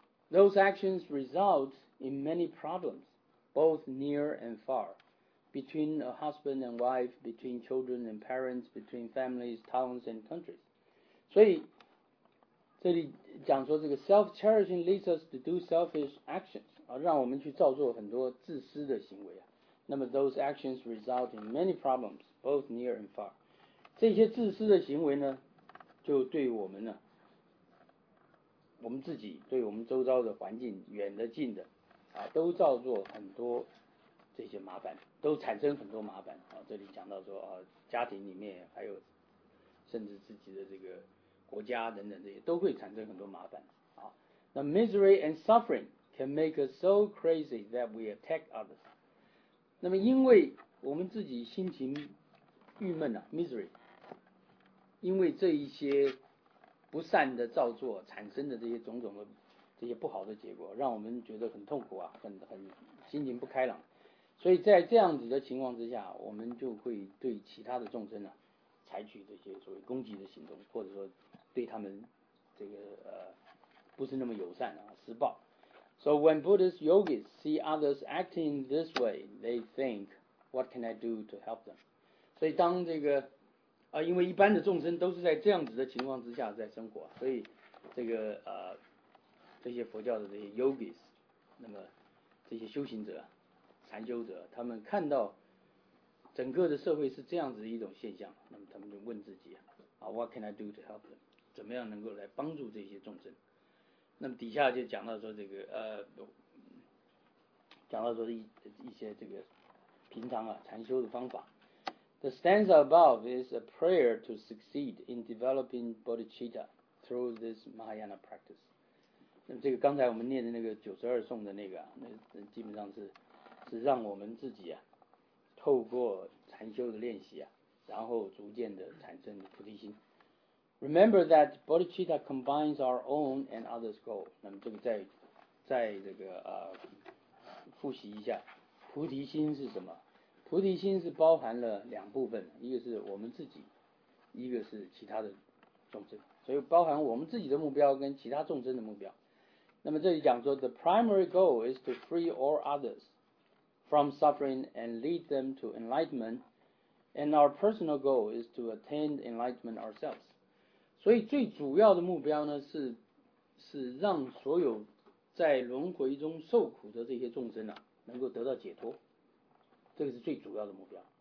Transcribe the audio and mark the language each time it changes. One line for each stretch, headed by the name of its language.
English: Those actions result in many problems, both near and far, between a husband and wife, between children and parents, between families, towns and countries.
Chinese: 所以这里讲说这个
English: self-cherishing leads us to do selfish actions,、
Chinese: 啊、让我们去造作很多自私的行为、啊。那么
English: those actions result in many problems, both near and far.
Chinese: 这些自私的行为呢就对我们呢我们自己对我们周遭的环境远的近的啊，都造作很多这些麻烦，都产生很多麻烦啊。这里讲到说啊，家庭里面还有甚至自己的这个国家等等，这些都会产生很多麻烦啊。那
English: misery and suffering can make us so crazy that we attack others。
Chinese: 那么因为我们自己心情郁闷啊 misery， 因为这一些不善的造作产生的这些种种的这些不好的结果，让我们觉得很痛苦啊，很心情不开朗。所以在这样子的情况之下，我们就会对其他的众生呢、啊，采取这些所谓攻击的行动，或者说对他们这个不是那么友善啊，施暴。
English: So when Buddhist yogis see others acting this way, they think, "What can I do to help them?"
Chinese: 所以当这个因为一般的众生都是在这样子的情况之下在生活，所以这个这些佛教的这些 yogis， 那么这些修行者、禅修者，他们看到整个的社会是这样子的一种现象，那么他们就问自己啊 ，
English: What can I do to help them？
Chinese: 怎么样能够来帮助这些众生？那么底下就讲到说这个讲到说一些这个平常啊禅修的方法。
English: The stanza above is a prayer to succeed in developing bodhicitta through this Mahayana practice.
Chinese: 那么这个刚才我们念的那个九十二颂的那个、啊、那基本上是让我们自己啊透过禅修的练习啊，然后逐渐的产生菩提心。
English: Remember that bodhicitta combines our own and others' goal.
Chinese: 那么这个在这个复习一下，菩提心是什么？菩提心是包含了两部分，一个是我们自己，一个是其他的众生，所以包含我们自己的目标跟其他众生的目标。那么这里讲说
English: The primary goal is to free all others from suffering and lead them to enlightenment, and our personal goal is to attain enlightenment ourselves.
Chinese: 所以最主要的目标呢是让所有在轮回中受苦的这些众生、啊、能够得到解脱，这个是最主要的目标。